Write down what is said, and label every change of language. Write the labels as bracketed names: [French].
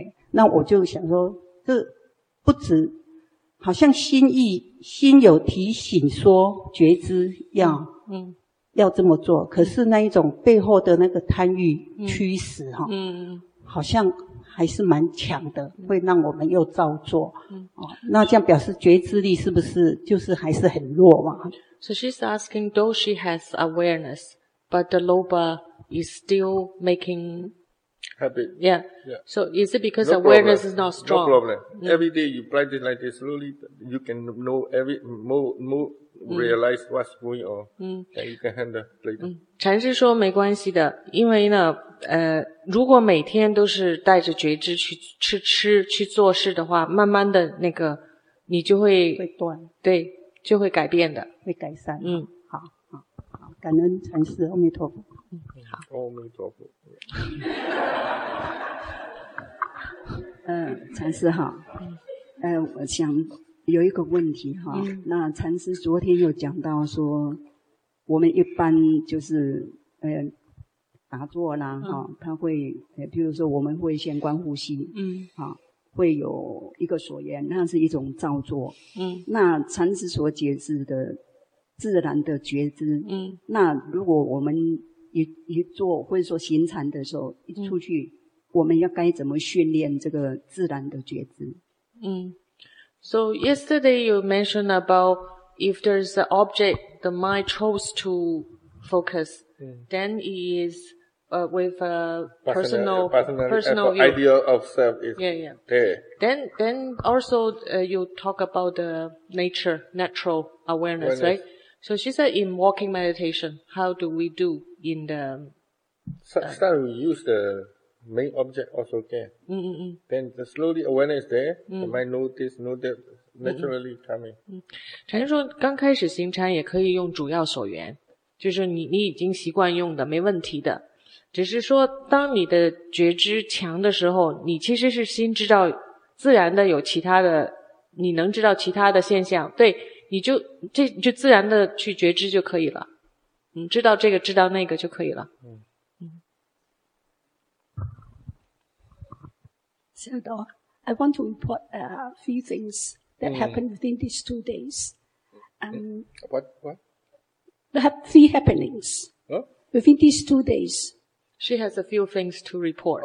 [Chinese] 那我就想说，这不止，好像心有提醒说觉知要这么做，可是那一种背后的那个贪欲驱使哈，好像还是蛮强的，会让我们又照做。那这样表示觉知力是不是就是还是很弱嘛 [English] ？So she's asking, though she has awareness, but the loba is still making. Habit. Yeah. So is it because awareness is not strong? No problem. Every day you practice like this, slowly you can know every more realize what's going on, and you can handle later. [Chinese] 禅师说没关系的，因为呢，如果每天都是带着觉知去吃去做事的话，慢慢的那个你就会断，对，就会改变的，会改善。好，感恩禅师，阿弥陀佛。阿弥陀佛。禅师好，我想有一个问题哈，那禅师昨天有讲到说，我们一般就是打坐啦哈，他会比如说我们会先观呼吸，会有一个所缘，那是一种造作，那禅师所解释的自然的觉知，那如果我们一做或者说行禅的时候一出去，我们要该怎么训练这个自然的觉知？ [English] So yesterday you mentioned about if there's an object the mind chose to focus, then it is with a personal idea of self is there. Then also you talk about the natural awareness, right? So she said in walking meditation, how do we do? In the start, we use the main object also can. Then the slowly awareness there, you might know that naturally coming. [Chinese] 禅师说，刚开始行禅也可以用主要所缘，就是你已经习惯用的，没问题的。只是说，当你的觉知强的时候，你其实是心知道自然的有其他的，你能知道其他的现象，对，你就自然的去觉知就可以了。知道这个知道那个就可以了。 [English] Sayadaw, I want to report a few things that happened within these 2 days. What? Three happenings. Huh? Within these 2 days. She has a few things to report.